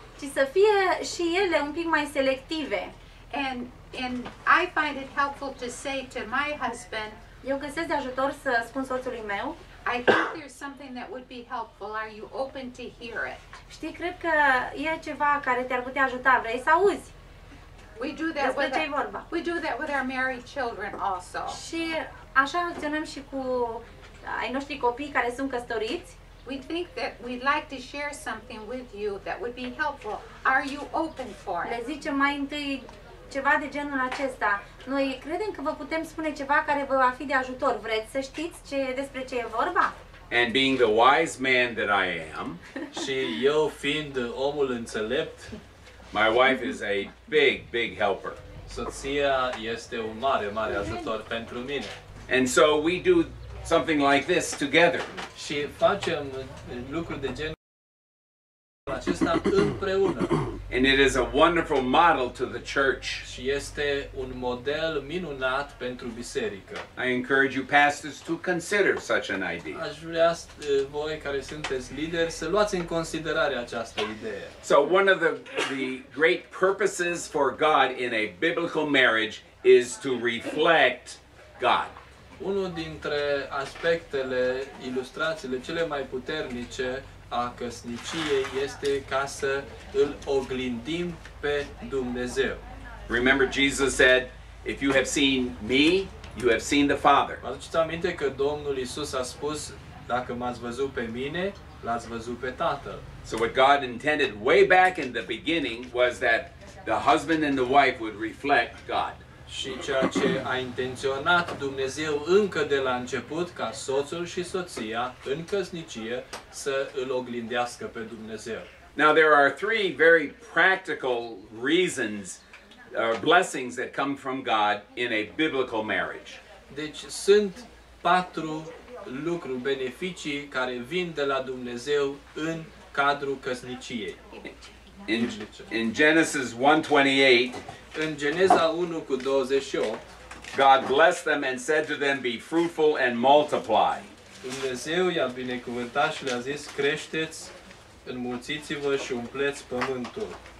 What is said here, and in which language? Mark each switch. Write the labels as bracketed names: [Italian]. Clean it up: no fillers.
[Romanian] Și să fie și ele un pic mai selective. [English] And I find it helpful to say to my husband, [Romanian] eu găsesc de ajutor să spun soțului meu, [English] I think there's something that would be helpful. Are you open to hear it? [Romanian] Știi, cred că e ceva care te-ar putea ajuta. Vrei să auzi? [English] We do that with [Romanian] ce-i vorba. [English] We do that with our married children also. [Romanian] Și așa acționăm și cu ai noștri copii care sunt căsătoriți. [English] We think that we'd like to share something with you that would be helpful. Are you open for it? [Romanian] Le zicem mai întâi ceva de genul acesta. Noi credem că vă putem spune ceva care vă va fi de ajutor. Vreți să știți ce despre ce e vorba? [English] And being the wise man that I am, [Romanian] și eu fiind omul înțelept, [English] my wife is a big, big helper. [Romanian] Soția este un mare, mare ajutor pentru mine. [English] And so we do something like this together. [Romanian] Și facem lucruri de genul acesta împreună. [English] And it is a wonderful model to the church. [Romanian] Și este un model minunat pentru biserică. [English] I encourage you pastors to consider such an idea. [Romanian] Aș vrea voi care sunteți lideri să luați în considerare această idee. [English] So one of the great purposes for God in a biblical marriage is to reflect God. [Romanian] Unul dintre aspectele, ilustrațiile cele mai puternice a căsniciei este ca să îl oglindim pe Dumnezeu. [English] Remember Jesus said, if you have seen me, you have seen the Father. [Romanian] Vă aduceți aminte că Domnul Iisus a spus, dacă m-ați văzut pe mine, l-ați văzut pe Tatăl. [English] So what God intended way back in the beginning was that the husband and the wife would reflect God. [Romanian] Și ceea ce a intenționat Dumnezeu încă de la început, ca soțul și soția în căsnicie să îl oglindească pe Dumnezeu. [English] Now there are three very practical reasons or blessings that come from God in a biblical marriage. [Romanian] Deci sunt patru lucruri, beneficii care vin de la Dumnezeu în cadrul căsniciei. [English] In Genesis 1:28, [Romanian] în Geneza 1:28, [English] God blessed them and said to them, be fruitful and multiply. [Romanian] Dumnezeu i-a binecuvântat și le-a zis, creșteți, înmulțiți-vă și umpleți pământul.